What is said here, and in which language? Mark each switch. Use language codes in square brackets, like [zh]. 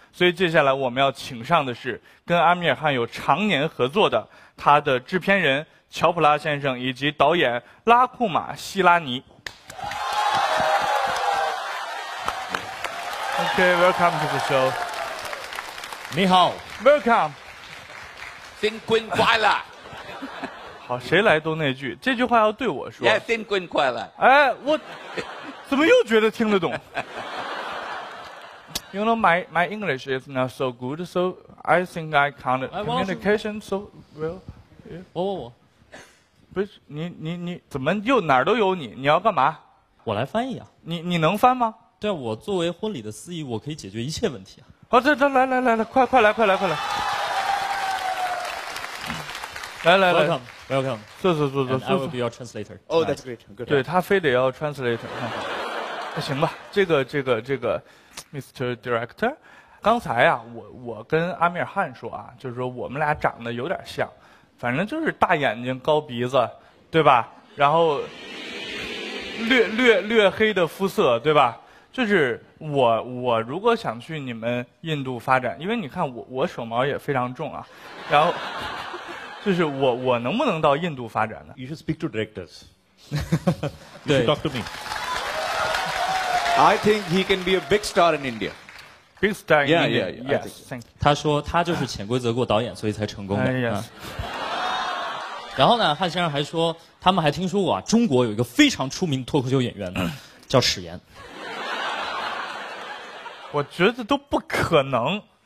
[zh] 所以接下来我们要请上的是跟阿米尔汗有常年合作的他的制片人乔普拉先生，以及导演拉库玛希拉尼。 [en] Okay, welcome to the show. [zh] 你好 [en] ，Welcome. [zh] 新婚快乐。好，谁来都那句，这句话要对我说。 Yeah, 新婚快乐。哎，我怎么又觉得听得懂？ [en] You know, my English is not so good, so I think I can't communication so well. [zh] 我，不是你怎么又哪儿都有你？你要干嘛？我来翻译啊。你能翻吗？对啊，我作为婚礼的司仪，我可以解决一切问题啊。好，来，快来。来。 [en] Welcome. [zh] 坐。 [en] I will be your translator. Oh, that's great. Good. [zh] 对他非得要 translator. 行吧，这个 ，Mr. Director， 刚才啊，我跟阿米尔汗说啊，就是说我们俩长得有点像，反正就是大眼睛、高鼻子，对吧？然后略黑的肤色，对吧？就是我如果想去你们印度发展，因为你看我手毛也非常重啊，然后。就是我能不能到印度发展呢 [en] ？You should speak to directors. You should talk to me. I think he can be a big star in India. Big star in India. Yeah. Yes. Thank you. [zh] 他说他就是潜规则过导演，所以才成功的。 [en] Yes. [zh] 然后呢，汉先生还说，他们还听说过啊，中国有一个非常出名的脱口秀演员，叫史炎。我觉得都不可能。